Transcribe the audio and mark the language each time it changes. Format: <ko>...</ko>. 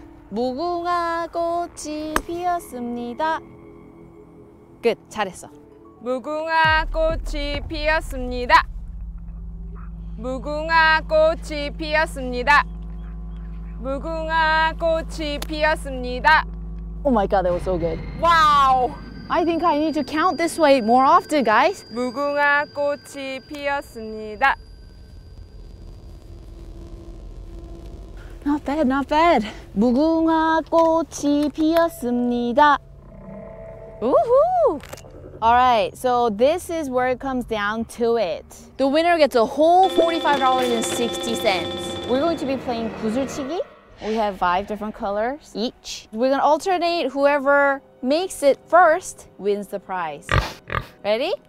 <ko>무궁화 꽃이 피었습니다.</ko> <en>Good.</en> <ko>잘했어. 무궁화 꽃이 피었습니다. 무궁화 꽃이 피었습니다. 무궁화 꽃이 피었습니다.</ko> <en>Oh my god, that was so good. Wow! I think I need to count this way more often, guys.</en> <ko>무궁화 꽃이 피었습니다.</ko> <en>Not bad, not bad.</en> <ko>무궁화 꽃이 피었습니다.</ko> <en>Woohoo! All right, so this is where it comes down to it. The winner gets a whole $45.60. We're going to be playing 구슬치기. We have 5 different colors each. We're gonna alternate. Whoever makes it first wins the prize. Ready?</en>